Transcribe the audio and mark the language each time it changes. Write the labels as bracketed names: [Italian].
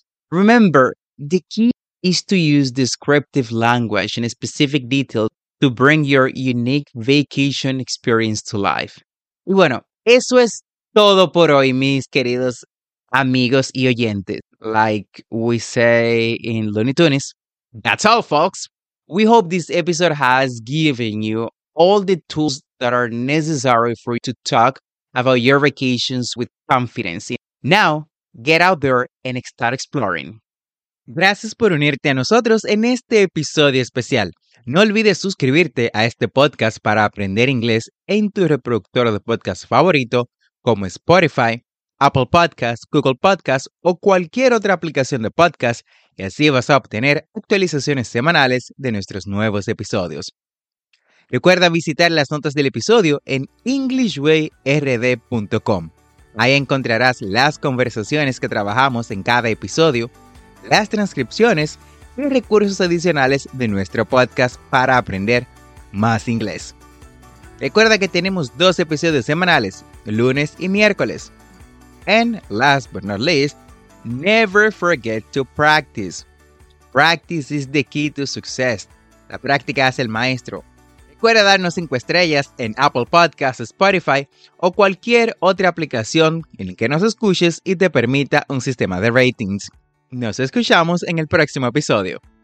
[English] Remember, the key is to use descriptive language and specific details to bring your unique vacation experience to life. [Spanish] Y bueno, eso es todo por hoy, mis queridos amigos y oyentes. [English] Like we say in Looney Tunes, that's all, folks. We hope this episode has given you all the tools that are necessary for you to talk about your vacations with confidence. Now, get out there and start exploring. [Spanish] Gracias por unirte a nosotros en este episodio especial. No olvides suscribirte a este podcast para aprender inglés en tu reproductor de podcast favorito como Spotify, Apple Podcasts, Google Podcasts o cualquier otra aplicación de podcast y así vas a obtener actualizaciones semanales de nuestros nuevos episodios. Recuerda visitar las notas del episodio en EnglishWayRD.com. Ahí encontrarás las conversaciones que trabajamos en cada episodio, las transcripciones y recursos adicionales de nuestro podcast para aprender más inglés. Recuerda que tenemos dos episodios semanales, lunes y miércoles. [English] And last but not least, never forget to practice. Practice is the key to success. [Spanish] La práctica hace el maestro. Recuerda darnos 5 estrellas en Apple Podcasts, Spotify o cualquier otra aplicación en la que nos escuches y te permita un sistema de ratings. Nos escuchamos en el próximo episodio.